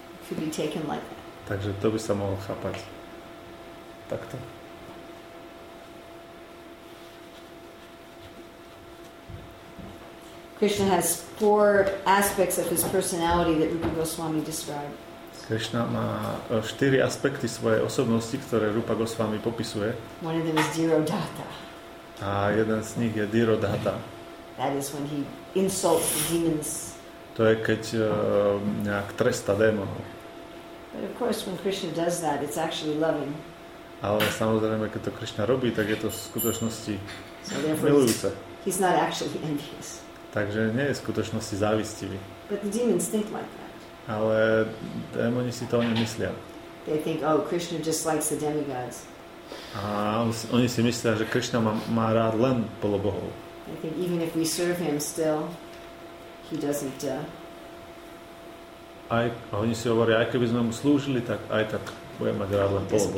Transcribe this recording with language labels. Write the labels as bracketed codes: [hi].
[en] To be taken like that. [sk] Takže to by sa mohol chápať takto. [en] Krishna has four aspects of his personality that Rupa Goswami described. [sk] Krishna má štyri aspekty svojej osobnosti, ktoré Rupa Goswami popisuje. [en] One of them is Dhirodhata. [sk] A jeden z nich je Dhirodhata. [en] That is when he insults the demons. [sk] To je keď nejak tresta démonov. [en] But of course when Krishna does that, it's actually loving. [sk] Ale samozrejme, keď to Krishna robí, tak je to v skutočnosti milujúce. [en] He's not actually envious. [sk] Takže nie je v skutočnosti závistivý. [en] But the demons think like that. [sk] Ale démoni si to o ňom myslia. [en] They think, oh, Krishna just likes the demigods. [sk] A oni si myslia, že Krishna má rád len polobohov. [en] They think even if we serve him still, he doesn't [sk] A oni si hovoria, aj keby sme mu slúžili, tak aj tak bude mať rád len polobohov.